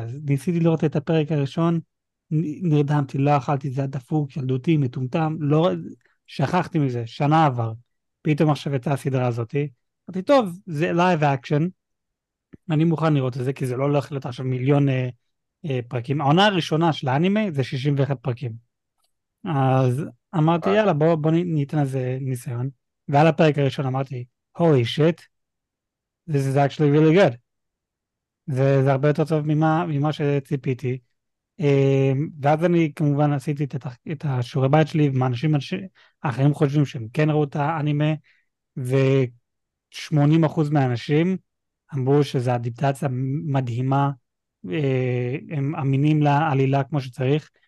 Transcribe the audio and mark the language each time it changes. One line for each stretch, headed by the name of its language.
Hebrew: אז ניסיתי לראות את הפרק הראשון, נרדמתי, לא אכלתי, זה הדפוק, ילדותי, מטומטם, לא, שכחתי מזה, שנה עבר. פתאום עכשיו יצאה הסדרה הזאת. אמרתי, טוב, זה live action, אני מוכן לראות את זה, כי זה לא הולך להיות עכשיו מיליון פרקים. העונה הראשונה של האנימה זה 61 פרקים. אז אמרתי, יאללה, בוא ניתן לזה ניסיון. ועל הפרק הראשון אמרתי,
English: holy shit, this is actually really good.
Hebrew: זה הרבה יותר טוב ממה שציפיתי. ואז אני כמובן עשיתי את השיעורי בית שלי, ואנשים אחרים חושבים שהם כן ראו את האנימה, ו-80% מהאנשים אמרו שזו אדפטציה מדהימה, הם אמינים לעלילה כמו שצריך.